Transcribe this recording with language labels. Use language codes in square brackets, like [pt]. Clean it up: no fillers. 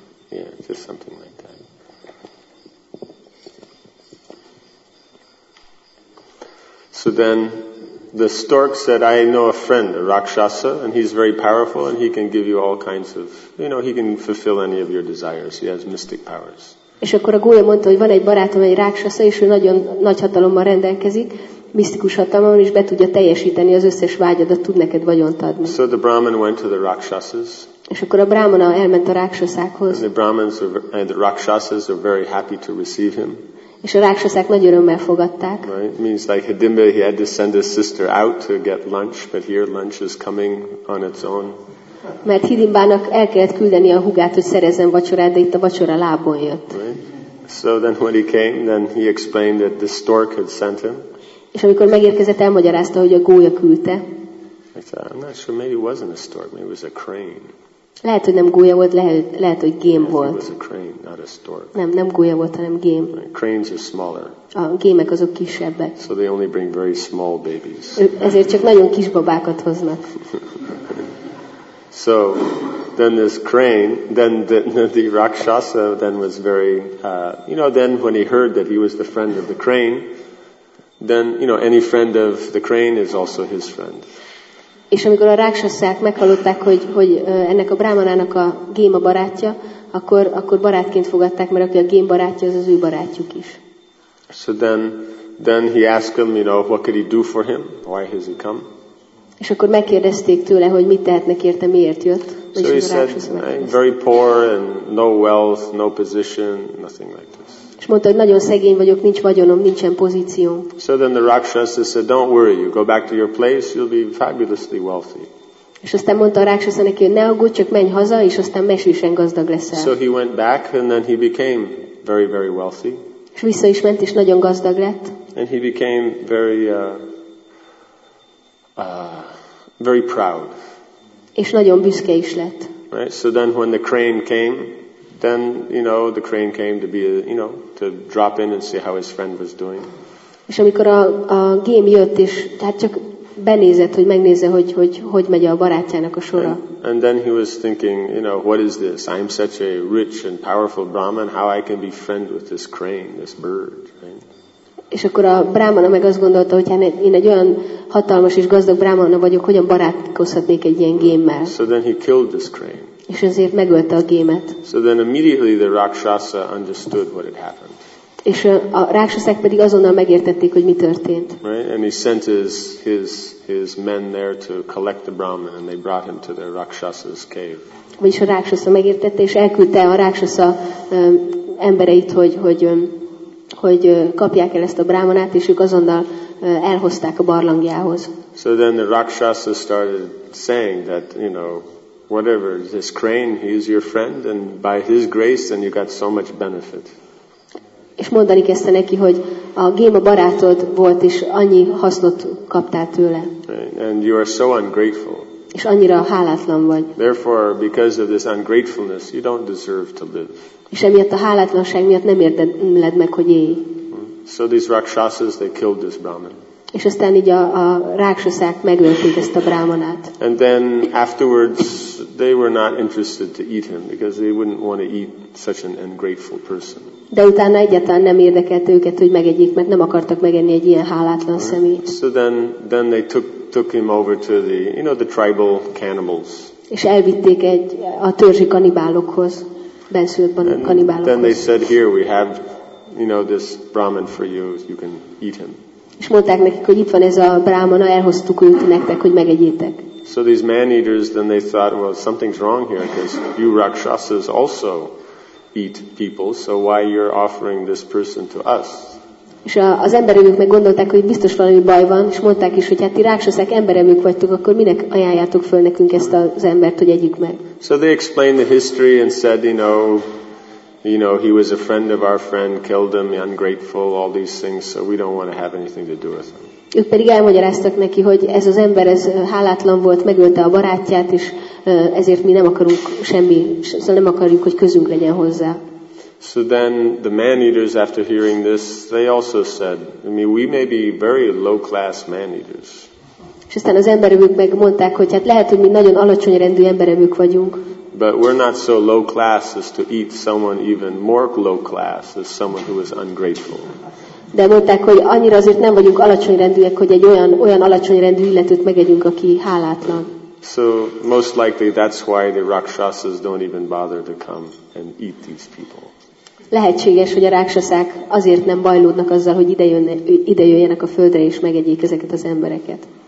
[en] Yeah, just something like that. So then The stork said, I know a friend, a Rakshasa, and he's very powerful, and he can give you all kinds of, you know, he can fulfill any of your desires. He has mystic powers. [hu] És akkor a gólya mondta, hogy van egy barátom, egy Rakshasa, és ő nagyon nagy hatalommal rendelkezik, misztikus hatalommal, és be tudja teljesíteni az összes vágyadat, tud neked vagyont adni. [en] So the Brahman went to the Rakshasas. [hu] És akkor a Brahmana elment a Rakshasákhoz. [en] And the Brahmans were, and the Rakshasas are very happy to receive him. [hu] És a rákszaszák nagy örömmel fogadták. [en] Right, means like Hidimba, he had to send his sister out to get lunch, but here lunch is coming on its own. [hu] Mert Hidimbának el kellett küldeni a húgát, hogy szerezzen vacsorát, de itt a vacsora lábon jött. [en] Right. So then when he came, then he explained that the stork had sent him. [hu] És amikor megérkezett, elmagyarázta, hogy a gólya küldte. [en] I thought, I'm not sure, maybe it wasn't a stork, maybe it was a crane. [hu] Lehet, hogy nem gólya volt, lehet, hogy gém volt. Nem gólya volt, hanem gém. [en] Cranes are smaller. [hu] A gémek azok kisebbek. [en] So they only bring very small babies. [hu] Ezért csak nagyon kis babákat hoznak. [en] So then this crane, then the Rakshasa then was very, you know, then when he heard that he was the friend of the crane, then you know any friend of the crane is also his friend. [hu] És amikor a rákszaszák meghallották, hogy ennek a brámanának a gém a barátja, akkor barátként fogadták, mert aki a gém barátja, az ő barátjuk is. [en] So then he asked him, you know, what could he do for him? Why has he come? [hu] És akkor megkérdezték tőle, hogy mit tehetnek érte, miért jött. [en] So he said, very poor and no wealth, no position, nothing like this. [hu] És mondta, hogy nagyon szegény vagyok, nincs vagyonom, nincsen pozícióm. [en] So then the Rakshasa said, don't worry, you go back to your place, you'll be fabulously wealthy. [hu] És aztán mondta a Rakshasa neki, ne aggódj, csak menj haza, és aztán mesésen gazdag leszel. [en] So he went back, and then he became very, very wealthy. [hu] És vissza is ment, és nagyon gazdag lett. [en] And he became very, very proud. [hu] És nagyon büszke is lett. [en] Right, so then when the crane came, then you know the crane came to be you know to drop in and see how his friend was doing. [hu] És amikor a gém jött és hát csak benézett, hogy megnézze, hogy megy a barátjának a sora. [en] And then he was thinking, you know, what is this? I'm such a rich and powerful Brahman, how I can be friend with this crane, this bird, right? [hu] És akkor a brámana meg azt gondolta, hogy hát én egy olyan hatalmas és gazdag brámana vagyok, hogyan barátkozhatnék egy ilyen gémmel. [en] So then he killed this crane. [hu] És ezért megölte a gémet. [en] So then immediately the Rakshasa understood what had happened. [hu] És a rákszaszák pedig azonnal megértették, hogy mi történt. [en] Right? And he sent his men there to collect the Brahman, and they brought him to the Rakshasa's cave. [hu] Vagyis a rákszasza megértette, és elküldte a rákszasza embereit, hogy kapják el ezt a brámanát, és ők azonnal elhozták a barlangjához. [en] So then the Rakshasa started saying that, you know, whatever, this crane, he is your friend, and by his grace, then you got so much benefit. [hu] És mondani kezdte neki, hogy a gém a barátod volt, és annyi hasznot kaptál tőle. [en] Right. And you are so ungrateful. [hu] És annyira hálátlan vagy. [en] Therefore, because of this ungratefulness, you don't deserve to live. [hu] És emiatt a hálátlanság miatt nem érted meg, hogy élj. [en] So these Rakshasas, they killed this Brahman. [hu] És aztán így a rákszaszák megölték ezt a brámanát. [en] And then afterwards they were not interested to eat him because they wouldn't want to eat such an ungrateful person. [hu] De utána egyáltalán nem érdekelt őket, hogy megegyék, mert nem akartak megenni egy ilyen hálátlan szemét. [en] So then they took him over to the, you know, the tribal cannibals. [hu] És elvitték egy a törzsi kanibálokhoz, benszült kanibálokhoz. [en] Then they said, here we have, you know, this brahman for you, you can eat him. [hu] És mondták nekik, hogy itt van ez a brámana, elhoztuk őt nektek, hogy megegyétek. [en] So these man-eaters, then they thought, well, something's wrong here, because you rakshasas also eat people, so why you're offering this person to us? [hu] És az emberevők meg gondolták, hogy biztos valami baj van, és mondták is, hogy hát ti rakshasák, emberevők vagytok, akkor minek ajánljátok föl nekünk ezt az embert, hogy együk meg? [en] So they explained the history and said, you know, he was a friend of our friend, killed him, ungrateful, all these things, so we don't want to have anything to do with him. [hu] Ők pedig elmagyaráztak neki, hogy ez az ember, ez hálátlan volt, megölte a barátját, és ezért mi nem akarunk semmi, szóval nem akarjuk, hogy közünk legyen hozzá. [en] So then the man-eaters, after hearing this, they also said, I mean, we may be very low-class man-eaters. [hu] És aztán az emberevők meg mondták, hogy hát lehet, hogy mi nagyon alacsony rendű emberevők vagyunk. [en] But we're not so low class as to eat someone even more low class as someone who is ungrateful. [hu] De mondták, hogy annyira azért nem vagyunk alacsony rendűek, hogy egy olyan alacsony rendű illetőt megegyünk, aki hálátlan. [en] So most likely that's why the rakshasas don't even bother to come and eat these people. [hu] Lehetséges, hogy a rákszaszák azért nem bajlódnak azzal, hogy idejöjjenek a földre és megegyék ezeket az embereket.